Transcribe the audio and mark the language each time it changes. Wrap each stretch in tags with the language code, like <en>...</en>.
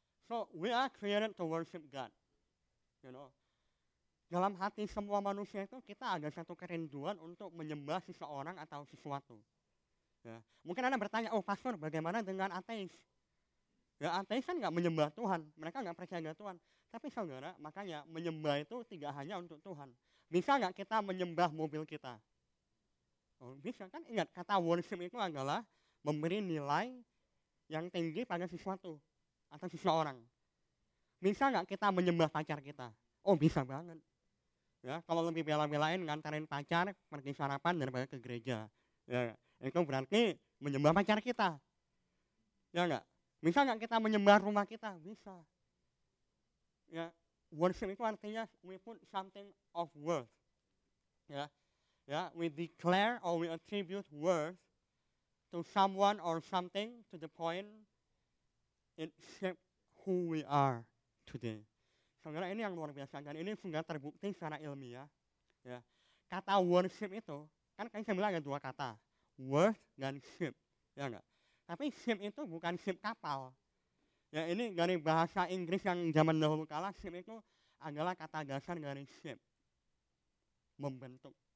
<en>So we are created to worship God, you know.</en> <id>Dalam hati semua manusia itu kita ada satu kerinduan untuk menyembah seseorang atau sesuatu. Ya. Mungkin Anda bertanya, oh pastor, bagaimana dengan ateis? Ya ateis kan nggak menyembah Tuhan, mereka nggak percaya dengan Tuhan. Tapi saudara, makanya menyembah itu tidak hanya untuk Tuhan. Bisa nggak kita menyembah mobil kita? Oh, bisa kan? Ingat kata worship itu adalah memberi nilai yang tinggi pada sesuatu. Atau seseorang. Bisa enggak kita menyembah pacar kita? Oh, bisa banget. Ya, kalau lebih bela-belain nganterin pacar pergi sarapan daripada ke gereja. Ya, itu berarti menyembah pacar kita. Ya enggak? Bisa enggak kita menyembah rumah kita? Bisa.</id> <en>Ya, worship</en> <id>itu artinya</id> <en>we put something of worth. Ya. Ya, we declare or we attribute worth to someone or something to the point it shape who we are today.</en> <id>Saudara, ini yang luar biasa dan ini sudah terbukti secara ilmiah. Ya. Kata worship itu, kan kayaknya saya bilang ada 2 kata. Worth dan ship. Ya enggak? Tapi ship itu bukan ship kapal. Ya ini dari bahasa Inggris yang zaman dahulu kala, shape itu adalah kata dasar dari shape, membentuk.</id>